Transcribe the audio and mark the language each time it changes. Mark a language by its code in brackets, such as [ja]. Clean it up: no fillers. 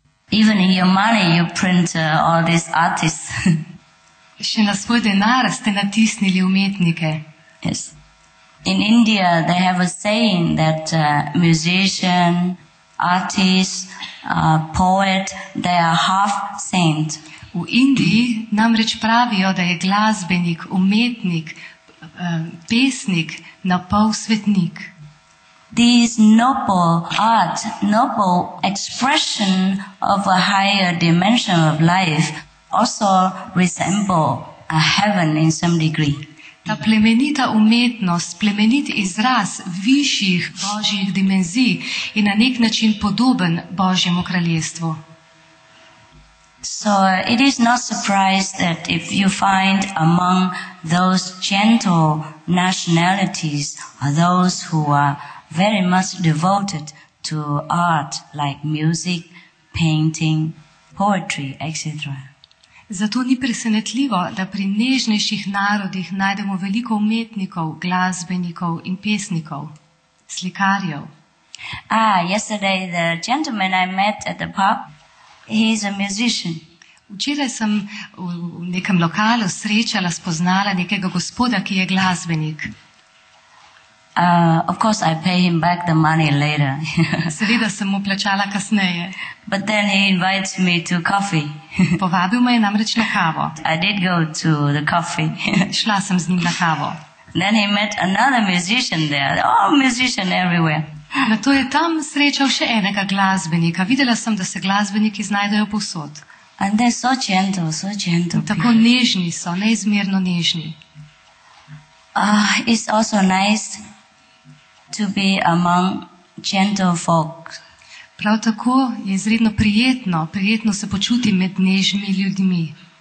[en] Even in your money you print all these artists. [sl] Še na svoj denar ste natisnili umetnike. [en] Yes. In India they have a saying that musician, artist, poet, they are half saint. [sl] V Indiji namreč pravijo, da je glasbenik, umetnik, pesnik na pol svetnik. [en] This noble art, noble expression of a higher dimension of life also resemble a heaven in some degree. [sl] Ta plemenita umetnost, plemenit izraz višjih božjih dimenzij je na nek način podoben božjemu kraljestvu. [en] So it is not surprised that if you find among those gentle nationalities are those who are very much devoted to art like music, painting, poetry, etc. [sl] Zato ni presenetljivo, da pri nežnejših narodih najdemo veliko umetnikov, glasbenikov in pesnikov, slikarjev. [en] Ah, yesterday the gentleman I met at the pub, he is a musician. [sl] Včeraj sem v nekem lokalu srečala, spoznala nekega gospoda, ki je glasbenik. [en] Of course I pay him back the money later. [sl] Seveda sem mu plačala kasneje. [en] But then he invites me to coffee. [sl] Povabil me je namreč na kavo. [en] I did go to the coffee. [sl] Šla sem z njim na kavo. [en] Then he met another musician there. Oh, musician everywhere. [sl] Nato je tam srečal še enega glasbenika. Videla sem, da se glasbeniki znajdejo povsod. [en] And they're so gentle, so gentle. [sl] Tako nežni so, neizmerno nežni. [en] It's also nice to be among gentle folk. [sl] Prav tako je izredno prijetno, prijetno se počuti med nežnimi ljudmi.